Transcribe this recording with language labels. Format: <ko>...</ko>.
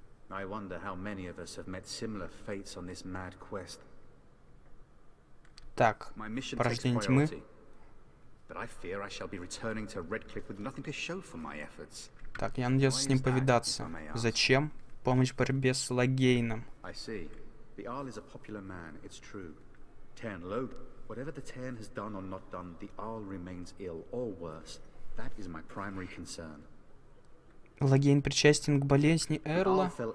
<en>I wonder how many of us have met similar fates on this mad quest.</en> <ru>Так, порождение тьмы.</ru> <en>But I fear I shall be returning to Redcliffe with nothing to show for my efforts.</en> <ru>Так, я надеюсь с ним повидаться. Зачем? Помощь в борьбе с Логейном.</ru> <en>I see. The Arl is a popular man, it's true. Tern Logh. Whatever the Tern has done or not done, the Arl remains ill or worse. That is my primary concern.</en> <ru>Логейн причастен к болезни Эрла.</ru>